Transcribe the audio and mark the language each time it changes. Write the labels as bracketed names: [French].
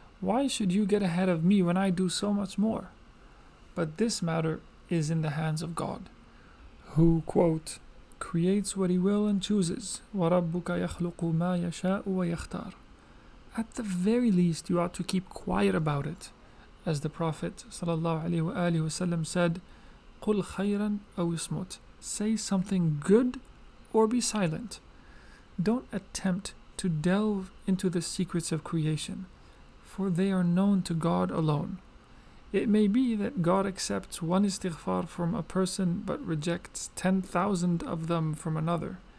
[English] Why should you get ahead of me when I do so much more?" But this matter is in the hands of God, who, quote, "creates what He will and chooses." [Arabic] وَرَبُّكَ يَخْلُقُ مَا يَشَاءُ وَيَخْتَارُ. [English] At the very least, you ought to keep quiet about it. As the Prophet ﷺ said, [Arabic] "قُلْ خَيْرًا أَوْ اسْمُتْ." [English] Say something good or be silent. Don't attempt to delve into the secrets of creation, for they are known to God alone. It may be that God accepts one istighfar from a person but rejects 10,000 of them from another.